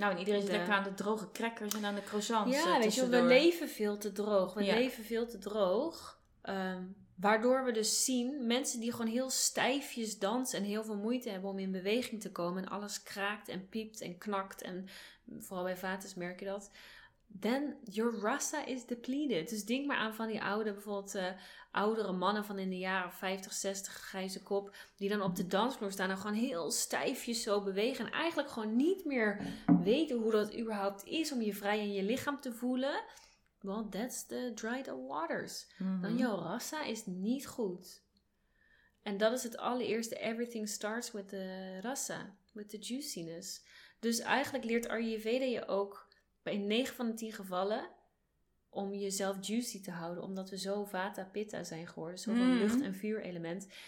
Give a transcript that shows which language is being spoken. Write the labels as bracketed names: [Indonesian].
[Dutch] Nou, en iedereen zit lekker aan de droge crackers en aan de croissants. Ja, weet je, we leven veel te droog, waardoor we dus zien mensen die gewoon heel stijfjes dansen en heel veel moeite hebben om in beweging te komen en alles kraakt en piept en knakt, en vooral bij vates merk je dat. [English] Then your rasa is depleted. [Dutch] Dus denk maar aan van die oude, bijvoorbeeld oudere mannen van in de jaren 50, 60, grijze kop. Die dan op de dansvloer staan en gewoon heel stijfjes zo bewegen. En eigenlijk gewoon niet meer weten hoe dat überhaupt is om je vrij in je lichaam te voelen. [English] Well, that's the dried up waters. Mm-hmm. [Dutch] Dan jouw rasa is niet goed. En dat is het allereerste. [English] Everything starts with the rasa. With the juiciness. [Dutch] Dus eigenlijk leert Ayurveda je ook, in 9 van de 10 gevallen, om jezelf juicy te houden. Omdat we zo vata pitta zijn geworden. Zo van lucht en vuur element.